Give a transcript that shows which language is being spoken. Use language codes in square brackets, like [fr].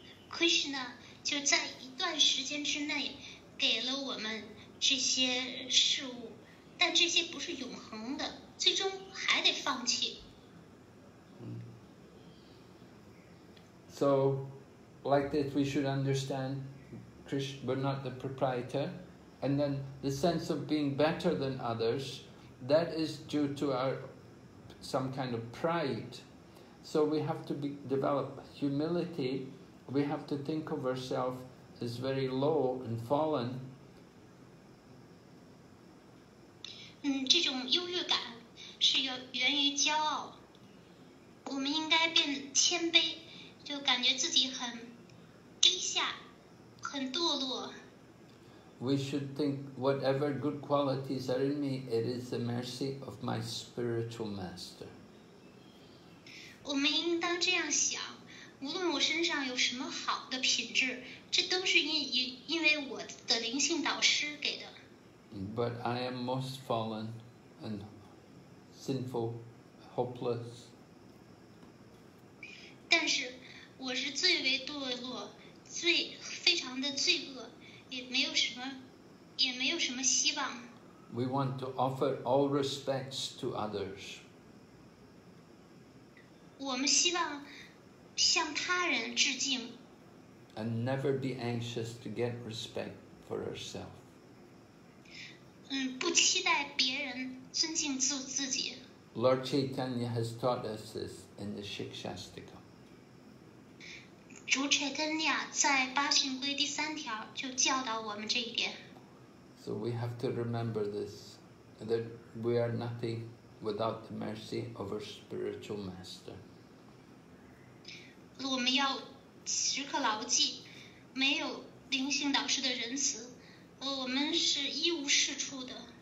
[zh] Krishna 就在一段时间之内给了我们这些事物，但这些不是永恒的，最终还得放弃。 [en] So, like this, we should understand Krishna, we're not the proprietor, and then the sense of being better than others. That is due to our some kind of pride. So we have to develop humility. We have to think of ourselves is very low and fallen. [zh] 这种优越感是源于骄傲。我们应该变谦卑，就感觉自己很低下，很堕落。 [en] We should think whatever good qualities are in me, it is the mercy of my spiritual master. [zh] 我们应当这样想，无论我身上有什么好的品质，这都是因为我的灵性导师给的。 [en] But I am most fallen and sinful, hopeless. [zh] 但是我是最为堕落，最非常的罪恶。也没有什么希望。 [en] We want to offer all respects to others. [zh] 我们希望向他人致敬。 [en] And never be anxious to get respect for herself. [zh] 不期待别人尊敬自己。 [en] Lord Chaitanya has taught us this in the Shikshastika. [zh] 主柴根尼亚在八训规第三条就教导我们这一点。 [en] So we have to remember this, that we are nothing without the mercy of our spiritual master. [zh] 我们要时刻牢记，没有灵性导师的仁慈，我们是一无是处的。